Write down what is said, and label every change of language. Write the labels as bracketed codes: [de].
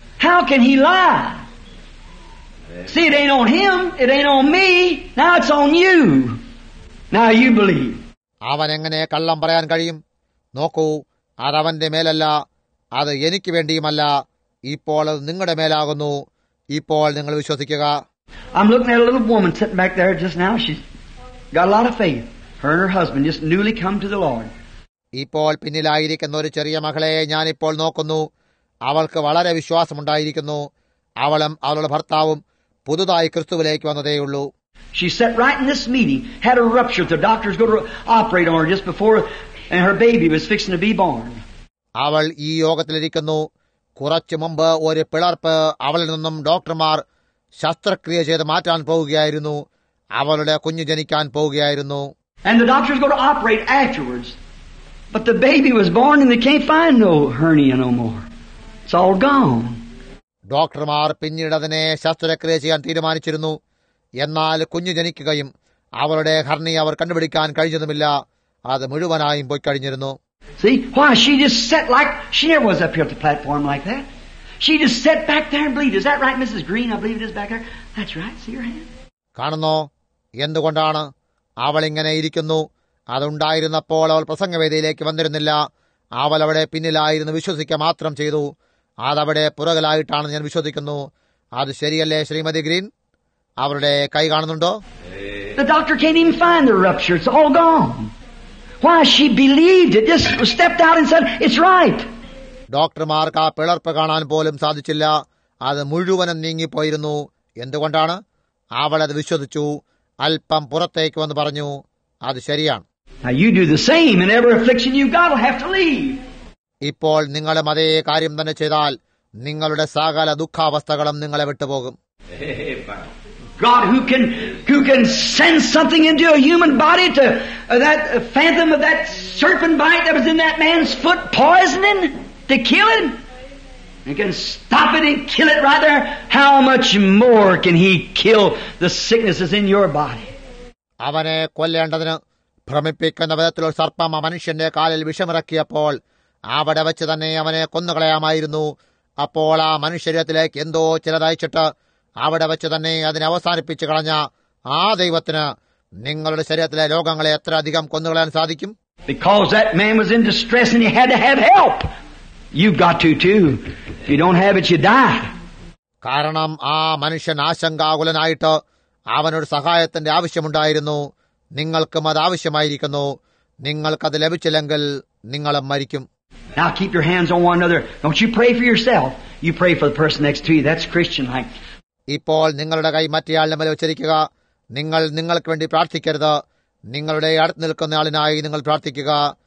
[en] How can he lie? See, it ain't on him, it ain't on me. Now it's on you. Now you believe. [ml] അവൻ എങ്ങനെ കള്ളം പറയാൻ കഴിയും? നോക്കൂ, അത് അവന്റെ മേലല്ല, അത് എനിക്ക് വേണ്ടിയുമല്ല. ഇപ്പോൾ അത് നിങ്ങളുടെ മേലാകുന്നു. ഇപ്പോൾ നിങ്ങൾ വിശ്വസിക്കുക. [en] I'm looking at a little woman sitting back there just now. She's got a lot of faith. Her and her husband just newly come to the Lord. [ml] ഇപ്പോൾ പിന്നിലായിരിക്കുന്ന ഒരു ചെറിയ മകളെ ഞാൻ ഇപ്പോൾ നോക്കുന്നു. അവൾക്ക് വളരെ വിശ്വാസമുണ്ടായിരിക്കുന്നു. അവളും അവളുടെ ഭർത്താവും പുതുതായി ക്രിസ്തുവിലേക്ക് വന്നതേയുള്ളൂ. [en] She sat right in this meeting, had a rupture. The doctors go to operate on her just before, and her baby was fixing to be born. [ml] അവൾ ഈ യോഗത്തിലിരിക്കുന്നു. കുറച്ചു മുമ്പ് ഒരു പിളർപ്പ് അവളിൽ നിന്നും ഡോക്ടർമാർ ശസ്ത്രക്രിയ ചെയ്ത് മാറ്റാൻ പോവുകയായിരുന്നു. അവളുടെ കുഞ്ഞു ജനിക്കാൻ പോവുകയായിരുന്നു. [en] And the doctors go to operate afterwards. But the baby was born and they can't find no hernia no more. It's all gone. [ml] ഡോക്ടർമാർ പിന്നീട് അതിനെ ശസ്ത്രക്രിയ ചെയ്യാൻ തീരുമാനിച്ചിരുന്നു. എന്നാൽ കുഞ്ഞു ജനിക്കുകയും അവളുടെ ഹെർണി അവർ കണ്ടുപിടിക്കാൻ കഴിഞ്ഞതുമില്ല. അത് മുഴുവനായും പോയി കഴിഞ്ഞിരുന്നു. [en] See, why she just sat like she never was up here at the platform like that. She just sat back there and believed. Is that right, Mrs. Green? I believe it is back there. That's right. See your hand? [ml] കാണുന്നോ, എന്തുകൊണ്ടാണ് അവൾ ഇങ്ങനെ ഇരിക്കുന്നു? അതുണ്ടായിരുന്നപ്പോൾ അവൾ പ്രസംഗവേദിയിലേക്ക് വന്നിരുന്നില്ല. അവൾ അവിടെ പിന്നിലായിരുന്നു വിശ്വസിക്കുക മാത്രം ചെയ്തു. അതവിടെ പുറകിലായിട്ടാണ് ഞാൻ വിശ്വസിക്കുന്നു. അത് ശരിയല്ലേ ശ്രീമതി ഗ്രീൻ? അവരുടെ കൈ കാണുന്നുണ്ടോ? [en] The doctor can't even find the rupture. It's all gone. Why, she believed it. Just stepped out and said, it's right. [ml] ഡോക്ടർമാർക്ക് ആ പിളർപ്പ് കാണാൻ പോലും സാധിച്ചില്ല. അത് മുഴുവനും നീങ്ങിപ്പോയിരുന്നു. എന്തുകൊണ്ടാണ്? അവൾ അത് വിശ്വസിച്ചു. അല്പം പുറത്തേക്ക് വന്ന് പറഞ്ഞു, അത് ശരിയാണ്. [en] Now you do the same and every affliction you've got will have to leave. [ml] ഇപ്പോൾ നിങ്ങളും അതേ കാര്യം തന്നെ ചെയ്താൽ നിങ്ങളുടെ സകല ദുഃഖാവസ്ഥകളും നിങ്ങളെ വിട്ടുപോകും. [en] God who can send something into a human body to that phantom of that serpent bite that was in that man's foot poisoning to kill him? He can stop it and kill it right there. How much more can he kill the sicknesses in your body? [ml] അവനെ കൊല്ലേണ്ടതിന് ഭ്രമിപ്പിക്കുന്ന വിധത്തിൽ ഒരു സർപ്പം ആ മനുഷ്യന്റെ കാലിൽ വിഷമിറക്കിയപ്പോൾ അവിടെ വെച്ച് തന്നെ അവനെ കൊന്നുകളയാമായിരുന്നു. അപ്പോൾ ആ മനുഷ്യരത്തിലേക്ക് എന്തോ ചിലതയച്ചിട്ട് അവിടെ വെച്ച് തന്നെ അതിനെ അവസാനിപ്പിച്ചു കളഞ്ഞ ആ ദൈവത്തിന് നിങ്ങളുടെ ശരീരത്തിലെ രോഗങ്ങളെ എത്ര അധികം കൊന്നുകളയാൻ സാധിക്കും? [en] Because that man was in distress and he had to have help. You've got to too. If you don't have it, you die. [ml] കാരണം ആ മനുഷ്യൻ ആശങ്കാകുലനായിട്ട് അവനൊരു സഹായത്തിന്റെ ആവശ്യമുണ്ടായിരുന്നു. നിങ്ങൾക്കും അത് ആവശ്യമായിരിക്കുന്നു. നിങ്ങൾക്കത് ലഭിച്ചില്ലെങ്കിൽ നിങ്ങളും മരിക്കും. [en] Now keep your hands on one another. Don't you pray for yourself. You pray for the person next to you. That's Christian life. [ml] ഇപ്പോൾ നിങ്ങളുടെ കൈ മറ്റേയാളുടെ മേൽ വെച്ചിരിക്കുക. നിങ്ങൾ നിങ്ങൾക്ക് വേണ്ടി പ്രാർത്ഥിക്കരുത്. നിങ്ങളുടെ അടുത്ത് നിൽക്കുന്ന ആളിനായി നിങ്ങൾ പ്രാർത്ഥിക്കുക.